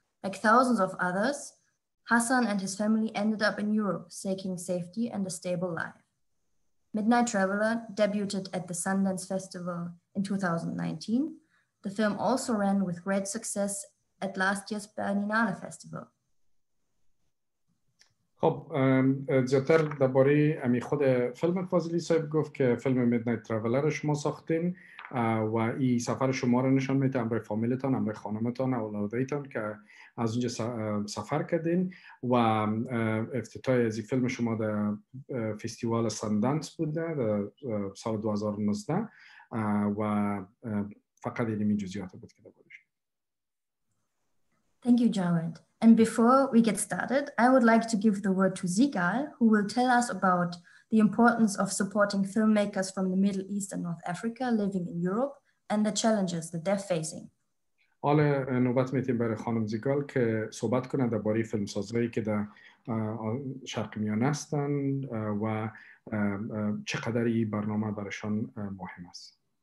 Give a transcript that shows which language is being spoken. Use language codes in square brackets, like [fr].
[en] Like thousands of others, Hassan and his family ended up in Europe, seeking safety and a stable life. Midnight Traveler debuted at the Sundance Festival in 2019. The film also ran with great success at last year's Berlinale Festival. [fa] خب زیادتر درباره امی خود فیلم فازلی صاحب گفت که فیلم میدنایت تراولر شما ساختین و این سفر شما رو نشان میده امروی فامیلتان، امروی خانمتان، اولادهیتان که از اونجا سفر کردین و افتتاح از این فیلم شما در فستیوال سندانس بوده در سال 2019 و فقط این می جزیات بود که درباره شما. [en] Thank you, Jawed. And before we get started, I would like to give the word to Sigal, who will tell us about the importance of supporting filmmakers from the Middle East and North Africa living in Europe and the challenges that they're facing. [fa] حالا نوبت میتیم برای خانم زیگال که صحبت کنه درباره فیلم سازهایی که در شرق میانه هستن و چقدر این برنامه برشان مهم است.